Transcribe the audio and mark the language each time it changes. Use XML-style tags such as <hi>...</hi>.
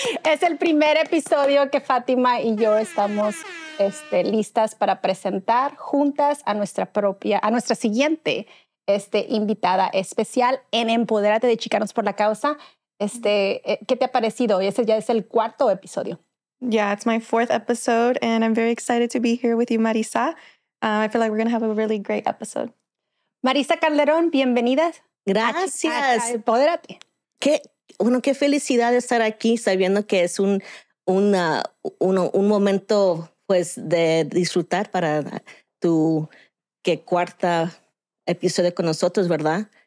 <es>Es el primer episodio que Fátima y yo estamos listas para presentar juntas a nuestra siguiente invitada especial en Empoderate de Chicanos por la Causa. ¿Qué te ha parecido? Ese ya es el cuarto episodio.</es> <en>Yeah, it's my fourth episode and I'm very excited to be here with you, Marissa. I feel like we're going to have a really great episode.</en> <es>Marissa Calderón, bienvenidas. Gracias. Empoderate. Qué felicidad de estar aquí sabiendo que es un momento pues de disfrutar para cuarta episode con nosotros, ¿verdad?</es>